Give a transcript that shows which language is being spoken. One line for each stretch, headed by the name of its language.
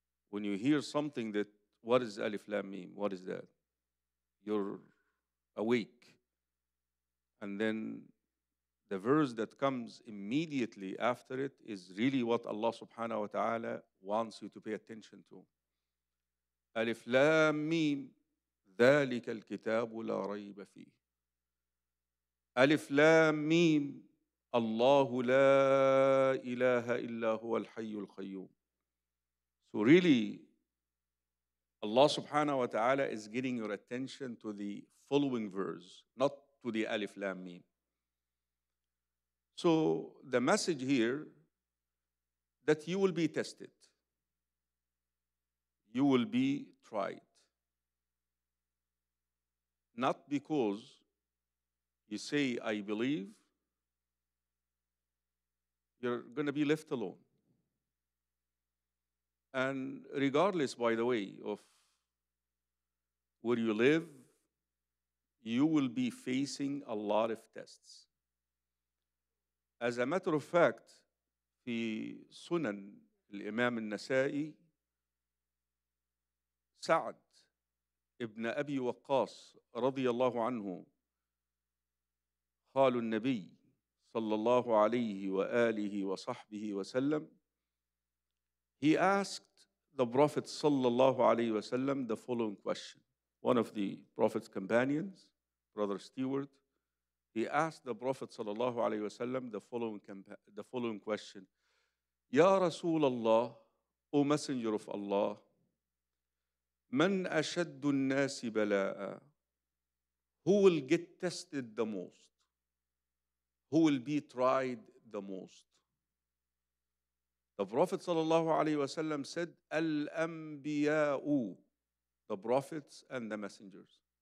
English: When you hear something that, what is Alif Lam Mim? What is that? You're awake. And then the verse that comes immediately after it is really what Allah subhanahu wa ta'ala wants you to pay attention to.
Arabic: Alif Lam Mim, ذلك الكتاب لا ريب فيه. Alif Lam Mim, Allah la ilaha illa huwa al-hayyu al-qayyum.
English: So really, Allah subhanahu wa ta'ala is getting your attention to the following verse, not to the Alif Lam Mim. So the message here, that you will be tested. You will be tried. Not because you say, I believe, you're going to be left alone. And regardless, by the way, of where you live, you will be facing a lot of tests.
Arabic: As a matter of fact, في سنن الإمام النسائي سعد ابن أبي وقاص رضي الله عنه قال النبي صلى الله عليه وآله وصحبه وسلم
English: he asked the Prophet صلى الله عليه وسلم the following question. One of the Prophet's companions, Brother Stewart, he asked the Prophet صلى الله عليه وسلم the following question.
Arabic: يا رسول الله,
English: O Messenger of Allah,
Arabic: من أشد الناس بلاء?
English: Who will get tested the most? Who will be tried the most? The Prophet صلى الله عليه وسلم said,
Arabic: الأنبياء,
English: the prophets and the messengers.